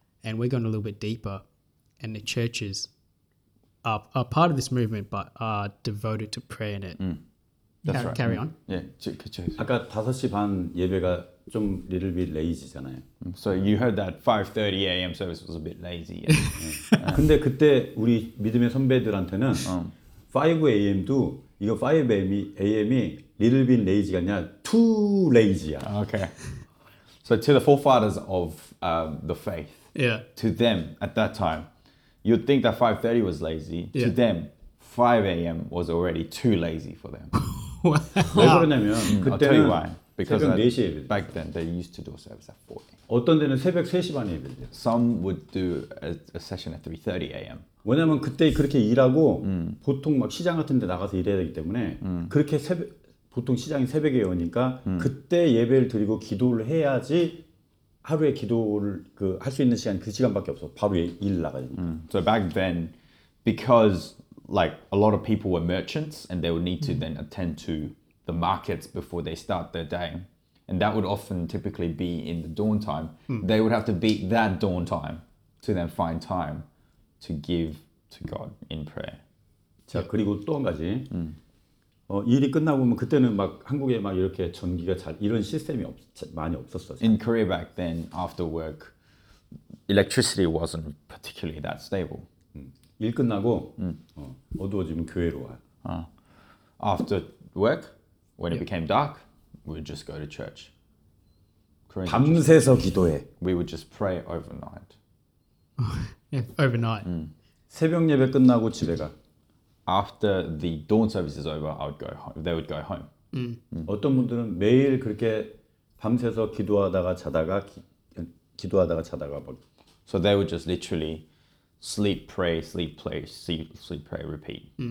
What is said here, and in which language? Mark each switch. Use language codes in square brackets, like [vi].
[en] And we're going a little bit deeper. And the churches are part of this movement, but are devoted to prayer in it. That's right. Carry on. Yeah. [ko] 아까 5시 반 예배가 좀 [en] little bit lazy [ko] 잖아요. [en] So you heard that 5:30 a.m. service was a bit lazy. Yeah. [ko] 근데 그때 우리 믿음의 선배들한테는 [en] 5 a.m. [ko] 도 이거 [en] 5 a.m. [ko] 이 [en] little bit lazy [ko] 가 아니라 [en] too lazy [ko] 야. [en] Okay. So to the forefathers of the faith, to them at that time, you'd think that 5:30 was lazy. To them, 5 a.m. was already too lazy for them. [ko] Wow. 왜 그러냐면 그때는 [en] I'll tell you why. Because [ko] 새벽 4시에 예배. [en] Back then, they used to do a service at 4 a.m. [ko] 어떤 데는 새벽 3시 반에 예배. [en] Some would do a session at 3:30 a.m. [ko] 왜냐면 그때 그렇게 일하고 보통 막 시장 같은 데 나가서 일해야 되기 때문에 그렇게 보통 시장이 새벽에 오니까 그때 예배를 드리고 기도를 해야지 하루에 기도를 그 할 수 있는 시간 그 시간밖에 없어. 바로 일 나가야 되니까. [en] So back then, because like a lot of people were merchants and they would need to then attend to the markets before they start their day. And that would often typically be in the dawn time. They would have to beat that dawn time to then find time to give to God in prayer. [ko] 자, 그리고 또 한 가지. 일이 끝나고 보면 그때는 막 한국에 막 이렇게 전기가 잘 이런 시스템이 많이 없었어. [en] In Korea back then, after work, electricity wasn't particularly that stable. [ko] 일 끝나고 어두워지면 교회로 와. [en] After work, when it became dark, we would just go to church. [ko] 밤새서 기도해. [en] We would just pray overnight. Yeah, overnight. [ko] 새벽 예배 끝나고 집에 가. [en] After the dawn service is over, I would go home. They would go home. [ko] 어떤 분들은 매일 그렇게 밤새서 기도하다가 자다가 기도하다가 자다가 막. [en] So they would just literally sleep, pray, sleep, pray, sleep, pray, repeat.